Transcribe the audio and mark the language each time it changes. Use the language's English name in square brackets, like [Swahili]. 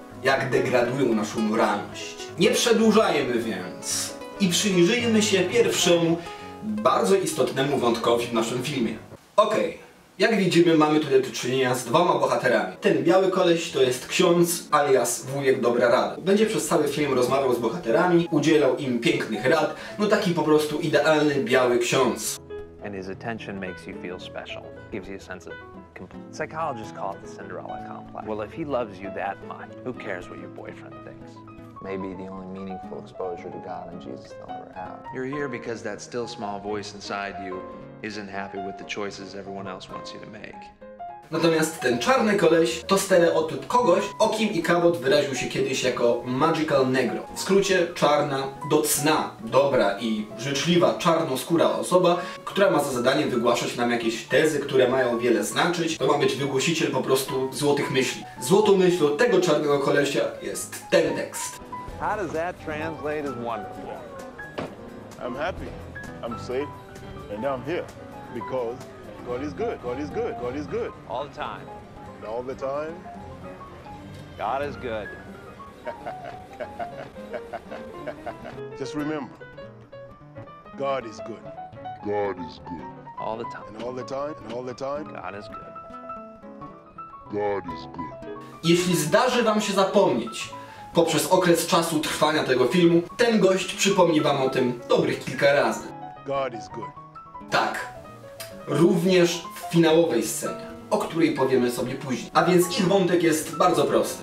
[Polish] Jak degradują naszą moralność. Nie przedłużajmy więc i przyjrzyjmy się pierwszemu, bardzo istotnemu wątkowi w naszym filmie. Okej. Jak widzimy, mamy tutaj do czynienia z dwoma bohaterami. Ten biały koleś to jest ksiądz alias wujek Dobra Rada. Będzie przez cały film rozmawiał z bohaterami, udzielał im pięknych rad. No taki po prostu idealny biały ksiądz. [English] And his attention makes you feel special. Gives you a sense of complete. Psychologists call it the Cinderella complex. Well, if he loves you that much, who cares what your boyfriend thinks? Maybe the only meaningful exposure to God and Jesus they'll ever have. You're here because that still small voice inside you isn't happy with the choices everyone else wants you to make. [Polish] Natomiast ten czarny koleś to stereotyp kogoś, o kim Ikabod wyraził się kiedyś jako Magical Negro. W skrócie czarna, docna, dobra i życzliwa czarnoskóra osoba, która ma za zadanie wygłaszać nam jakieś tezy, które mają wiele znaczyć. To ma być wygłosiciel po prostu złotych myśli. Złotą myślą tego czarnego kolesia jest ten tekst. [English] How does that translate as wonderful? I'm happy, I'm safe, and I'm here because God is good, God is good, God is good. All the time. All the time? God is good. Just remember, God is good. God is good. All the time. And all the time, and all the time? God is good. God is good. [Polish] Jeśli zdarzy wam się zapomnieć poprzez okres czasu trwania tego filmu, ten gość przypomni wam o tym dobrych kilka razy. [English] God is good. [Polish] Tak. Również w finałowej scenie. o której powiemy sobie później. A więc ich wątek jest bardzo prosty.